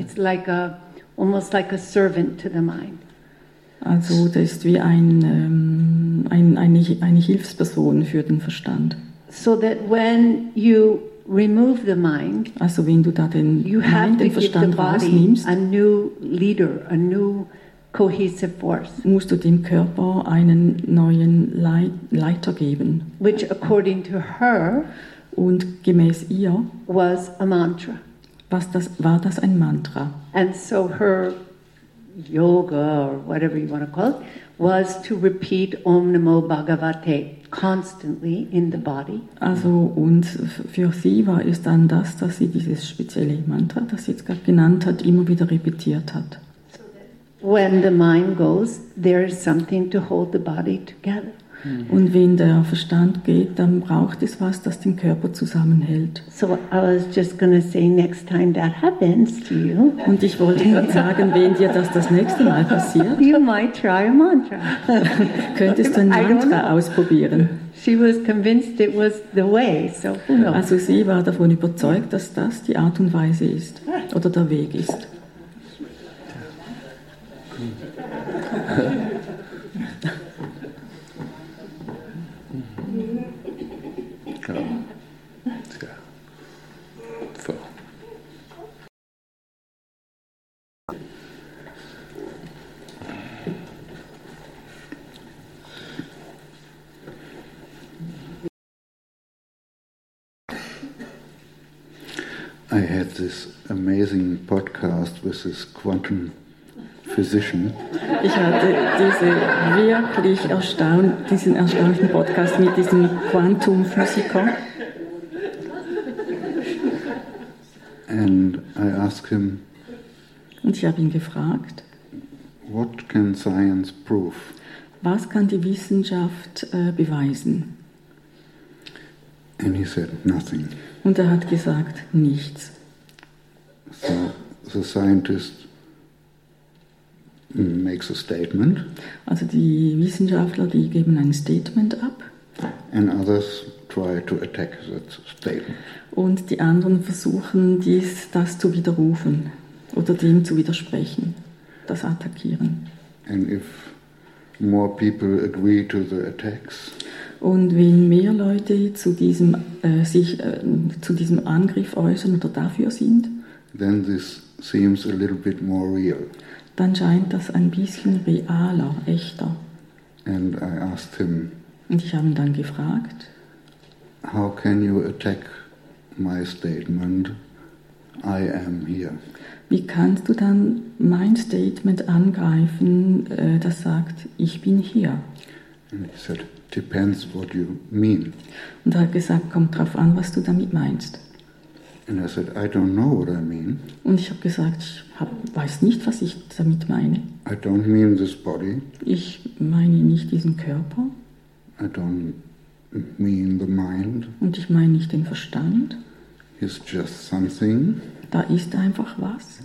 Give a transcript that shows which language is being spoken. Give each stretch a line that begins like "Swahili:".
English: It's like a almost like a servant to the mind.
German: Also das ist wie eine Hilfsperson für den Verstand.
English: So that when you remove the mind,
German: also wenn du da den
English: you
German: Mind,
English: have to
German: den Verstand
English: give the body
German: rausnimmst,
English: a new leader, a new cohesive force.
German: Musst du dem Körper einen neuen Leiter geben.
English: Which according to her
German: und gemäß ihr
English: was a mantra.
German: War das ein Mantra?
English: And so her yoga or whatever you want to call it was to repeat Om Namo Bhagavate constantly in the body.
German: Also und für sie war es dann das, dass sie dieses spezielle Mantra, das sie jetzt gerade genannt hat, immer wieder repetiert hat.
English: When the mind goes, there is something to hold the body together.
German: Und wenn der Verstand geht, dann braucht es was, das den Körper zusammenhält.
English: So I was just going to say next time that happens to you.
German: Und ich wollte gerade sagen, wenn dir das nächste Mal passiert.
English: You might try a mantra.
German: Könntest du ein Mantra ausprobieren?
English: She was convinced it was the way, so who knows?
German: Also sie war davon überzeugt, dass das die Art und Weise ist, oder der Weg ist.
English: I had this amazing podcast with this quantum physician.
German: Ich hatte diese wirklich erstaunlichen Podcast mit diesem Quantumphysiker.
English: And I asked him.
German: Und ich habe ihn gefragt.
English: What can science prove?
German: Was kann die Wissenschaft beweisen?
English: And he said nothing.
German: Und er hat gesagt nichts.
English: So the scientist makes a statement.
German: Also die Wissenschaftler, die geben ein Statement ab.
English: And others try to attack that statement.
German: Und die anderen versuchen, das zu widerrufen oder dem zu widersprechen, das attackieren.
English: And if more people agree to the attacks.
German: Und wenn mehr Leute zu diesem Angriff äußern oder dafür sind,
English: then this seems a little bit more real.
German: Dann scheint das ein bisschen realer, echter.
English: And I asked him,
German: und ich habe ihn dann gefragt,
English: how can you attack my statement? I am here.
German: Wie kannst du dann mein Statement angreifen, das sagt, ich bin hier?
English: And he said, depends what you mean.
German: Und er hat gesagt, kommt drauf an, was du damit meinst.
English: And I said, I don't know what I mean.
German: Und ich habe gesagt, weiß nicht, was ich damit meine.
English: I don't mean this body.
German: Ich meine nicht diesen Körper.
English: I don't mean the mind.
German: Und ich meine nicht den Verstand.
English: It's just something.
German: Da ist einfach was.